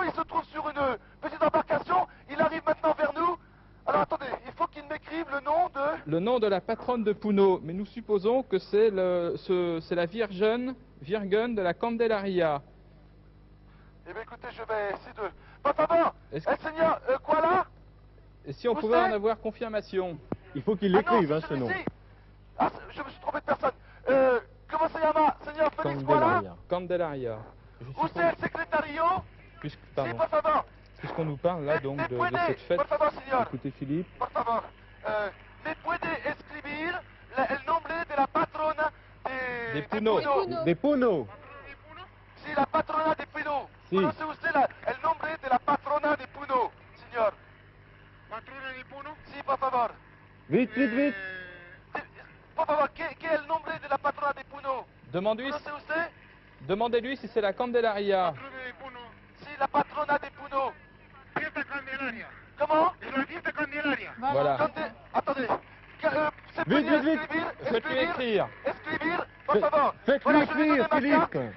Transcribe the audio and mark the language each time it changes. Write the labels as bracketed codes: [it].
[fr] Il se trouve sur une petite embarcation. Il arrive maintenant vers nous. Alors attendez, il faut qu'il m'écrive le nom de... Le nom de la patronne de Puno. Mais nous supposons que c'est la Virgen de la Candelaria. Eh bien écoutez, je vais essayer de... [es] Por favor, el señor Koala. [fr] Et si on pouvait en avoir confirmation? Il faut qu'il l'écrive, ce nom. Je me suis trompé de personne. Comment [es] se llama, señor [fr] Félix Koala? [es] Candelaria. [fr] Où c'est le secrétario? Pardon. [es] Si, por favor. [fr] Puisqu'on nous parle là donc de cette fête. [es] Por favor, señor. [fr] Écoutez, Philippe. [es] Por favor. Me puede escribir el nombre de la patrona de... [fr] Des Puno. Des Puno. Des [es] Puno. Si, la patrona de Puno. Si. ¿Conoce usted la, el nombre de la patrona de Puno, señor? Patrona de Puno. Si, por favor. [fr] Vite, vite, vite. [es] Por favor, ¿qué es el nombre de la patrona de Puno? [fr] Demande-lui. [es] ¿Conoce usted? [fr] Demandez-lui si c'est la Candelaria. [es] Si, la patrona de Puno. Fiesta Candelaria. [fr] Comment? [es] La fiesta Candelaria. [fr] Voilà. Attendez. Faites-lui écrire. [es] Por favor. [fr] Faites-lui écrire, Philippe.